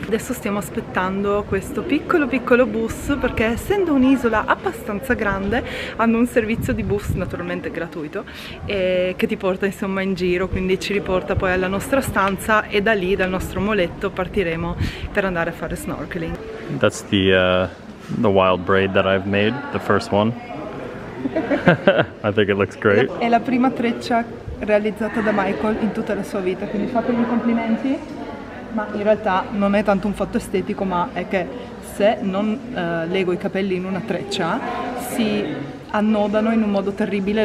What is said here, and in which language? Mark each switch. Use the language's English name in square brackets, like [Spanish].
[Italian] Adesso stiamo aspettando questo piccolo bus, perché essendo un'isola abbastanza grande hanno un servizio di bus naturalmente gratuito e che ti porta insomma in giro, quindi ci riporta poi alla nostra stanza e da lì, dal nostro moletto, partiremo per andare a fare snorkeling. [English] That's the wild braid that I've made, the first one. I think it looks great. [Italian] È la prima treccia realizzata da Michael in tutta la sua vita, quindi fatemi i complimenti. Ma in realtà non è tanto un fatto estetico, ma è che se non lego i capelli in una treccia si annodano in un modo terribile.